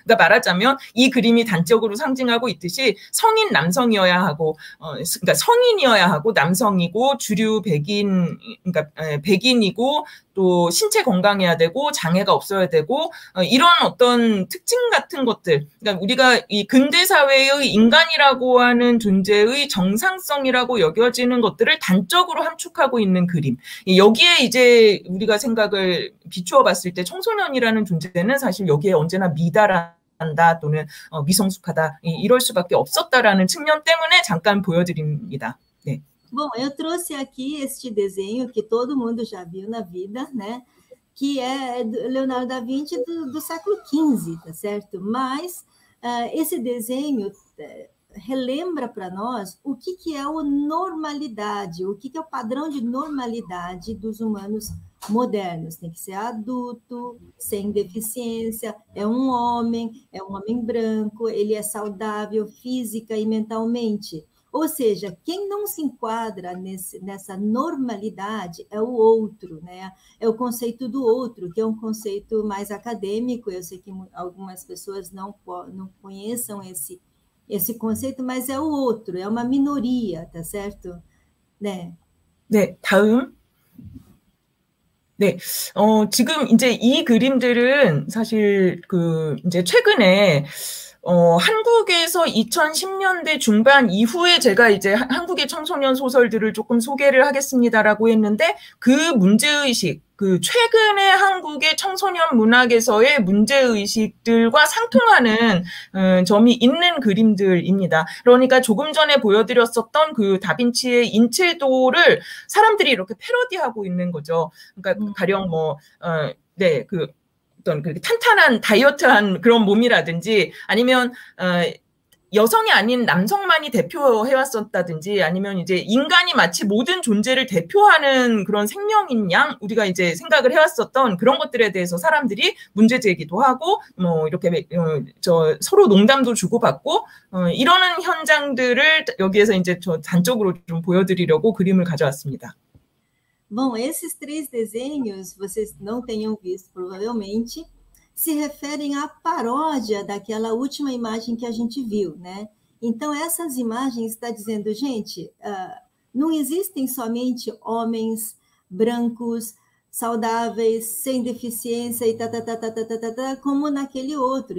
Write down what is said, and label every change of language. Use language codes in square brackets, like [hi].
[ko] 그러니까 말하자면 이 그림이 단적으로 상징하고 있듯이 성인 남성이어야 하고, 그러니까 성인이어야 하고 남성이고 주류 백인, 그러니까 백인이고 또 신체 건강해야 되고 장애가 없어야 되고 이런 어떤 특징 같은 것들, 그러니까 우리가 이 근대 사회의 인간이라고 하는 존재의 정상성이라고 여겨지는 것들을 단적으로 함축하고 있는 그림. 여기에 이제 우리가 생각을 비추어 봤을 때 청소년이라는 존재는 사실 여기에 언제나 미달한 한다 또는 미성숙하다 이럴 수밖에 없었다라는 측면 때문에 잠깐 보여드립니다. 네. [pt] Bom, eu trouxe aqui este desenho que todo mundo já viu na vida, né? Que é Leonardo da Vinci do século XV, tá certo? Mas esse desenho relembra para nós o que é a normalidade, o que é o padrão de normalidade dos humanos modernos. Tem que ser adulto, sem deficiência, é um homem branco, ele é saudável física e mentalmente. Ou seja, quem não se enquadra nessa normalidade é o outro, né? É o conceito do outro, que é um conceito mais acadêmico. Eu sei que algumas pessoas não conheçam esse conceito, mas é o outro, é uma minoria, tá certo? Né? Né, [ko] 다음. 네, 지금 이제 이 그림들은 사실 그 이제 최근에 한국에서 2010년대 중반 이후에 제가 이제 한국의 청소년 소설들을 조금 소개를 하겠습니다라고 했는데 그 문제의식, 그 최근에 한국의 청소년 문학에서의 문제의식들과 상통하는 점이 있는 그림들입니다. 그러니까 조금 전에 보여드렸었던 그 다빈치의 인체도를 사람들이 이렇게 패러디하고 있는 거죠. 그러니까 가령 뭐, 네, 그 어떤 그렇게 탄탄한 다이어트한 그런 몸이라든지 아니면 여성이 아닌 남성만이 대표해왔었다든지 아니면 이제 인간이 마치 모든 존재를 대표하는 그런 생명인 양 우리가 이제 생각을 해왔었던 그런 것들에 대해서 사람들이 문제 제기도 하고 뭐 이렇게 저 서로 농담도 주고받고 이러는 현장들을 여기에서 이제 저 단적으로 좀 보여드리려고 그림을 가져왔습니다. [pt] Bom, esses três desenhos vocês não tenham visto provavelmente. Se referem à paródia daquela última imagem que a gente viu, né? Então, essas imagens está dizendo, gente, não existem somente homens brancos, saudáveis, sem deficiência e tá, como naquele outro.